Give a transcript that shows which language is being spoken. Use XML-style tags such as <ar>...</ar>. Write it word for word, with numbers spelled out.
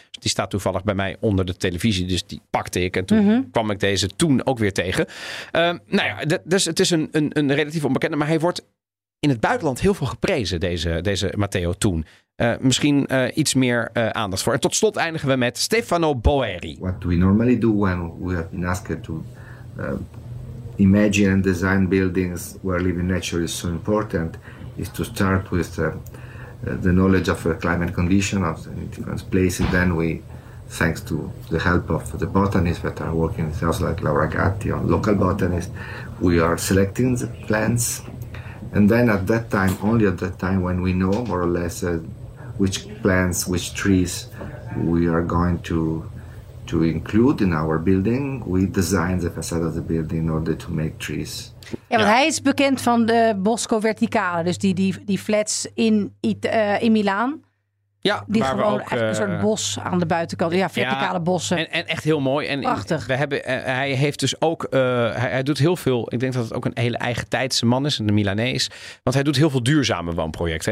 <nl>Die staat toevallig bij mij onder de televisie, dus die pakte ik. En toen mm-hmm. kwam ik deze Thun ook weer tegen. Uh, nou ja, d- dus het is een, een, een relatief onbekende, maar hij wordt in het buitenland heel veel geprezen, deze, deze Matteo Thun. Uh, misschien uh, iets meer uh, aandacht voor. En tot slot eindigen we met Stefano Boeri.</nl> <en>What we normally do when we have been asked to uh, imagine and design buildings where living nature is so important is to start with uh, uh, the knowledge of the climate condition of the different places. Then we, thanks to the help of the botanists that are working with us, like Laura Gatti or local botanists, we are selecting the plants. And then at that time, only at that time, when we know more or less uh, which plants, which trees we are going to to include in our building, we design the facade of the building in order to make trees.</en> <nl>Ja, want ja. Hij is bekend van de Bosco Verticale, dus die, die, die flats in, uh, in Milaan. Ja, die waar gewoon we ook, een soort bos aan de buitenkant. Ja, verticale ja, bossen. En, en echt heel mooi. En prachtig. We hebben, hij heeft dus ook... Uh, hij, hij doet heel veel... Ik denk dat het ook een hele eigen tijdse man is. Een Milanees. Want hij doet heel veel duurzame woonprojecten.</nl>